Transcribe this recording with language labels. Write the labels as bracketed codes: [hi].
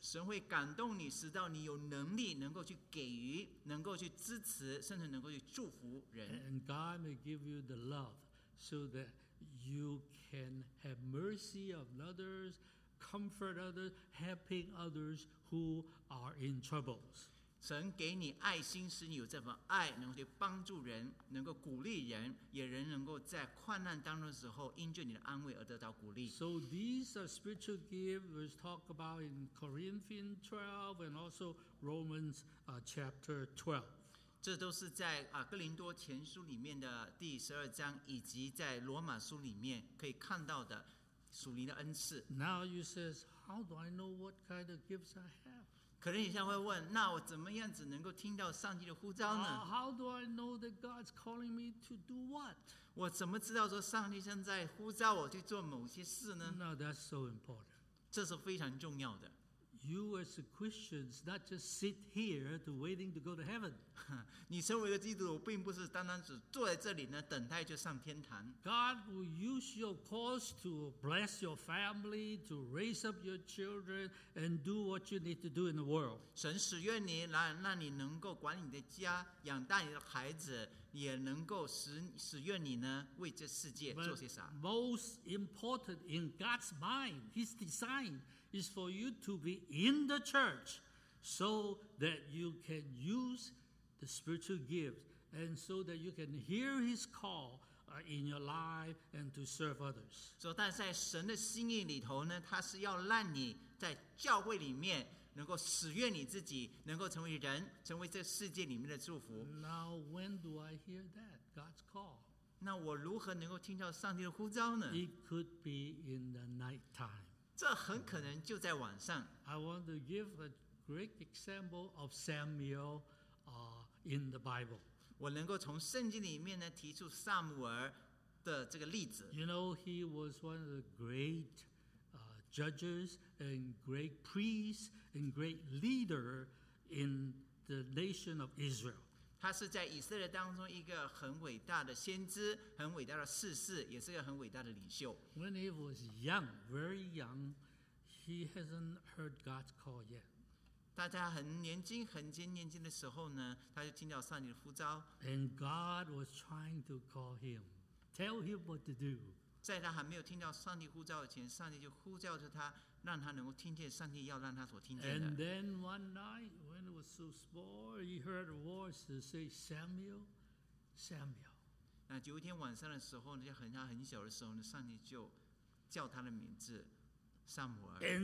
[zh] 神会感动你使到你有能力能够去给予能够去支持甚至能够去祝福人。 [en] And God may give you the love so that you can have mercy of others, comfort others, helping others who are in troubles. [zh] 神给你爱心使你有这份爱能够去帮助人能够鼓励人也人能够在困难当中的时候因着你的安慰而得到鼓励。 [en] So these are spiritual gifts we talk about in Corinthians 12 and also Romans chapter 12. [zh] 这都是在哥林多前书里面的第十二章以及在罗马书里面可以看到的属灵的恩赐。 [en] Now you says, how do I know what kind of gifts I have? [zh] 可能你现在会问，那我怎么样子能够听到上帝的呼召呢？ [en] How do I know that God's calling me to do what? [zh] 我怎么知道说上帝现在呼召我去做某些事呢？ [en] No, that's so important. [zh] 这是非常重要的。 [en] You as a Christians not just sit here to waiting to go to heaven. [zh] 你身为一个基督徒，并不是单单只坐在这里呢，等待就上天堂。 [en] God will use your cause to bless your family, to raise up your children, and do what you need to do in the world. [zh] 神使用你来让你能够管理你的家，养大你的孩子，也能够使用你呢为这世界做些啥。 [en] But most important in God's mind, His design. Is for you to be in the church so that you can use the spiritual gifts and so that you can hear his call in your life and to serve others. [zh] So, 但在神的心意里头呢，他是要让你在教会里面能够使用你自己，能够成为人，成为这世界里面的祝福。 [en] Now, when do I hear that? God's call. [zh] 那我如何能够听到上帝的呼召呢？ [en] It could be in the night time. [zh] 这很可能就在晚上。 [en] I want to give a great example of Samuel, in the Bible. [zh] 我能够从圣经里面呢提出撒母耳的这个例子。 [en] You know, he was one of the great, judges and great priests and great leader in the nation of Israel. [zh] 他是在以色列当中一个很伟大的先知，很伟大的士师，也是一个很伟大的领袖。 [en] When he was young, very young, he hasn't heard God's call yet. [zh] 当他很年轻、很年轻的时候呢，他就听到上帝的呼召。 [en] And God was trying to call him, tell him what to do. [zh] 在他还没有听到上帝呼召以前，上帝就呼召着他，让他能够听见上帝要让他所听见的。 [en] And then one night. Was so small, he heard a voice to say, Samuel, Samuel. [zh] 那有一天晚上的时候呢，就很小很小的时候呢，上帝就叫他的名字，撒母耳。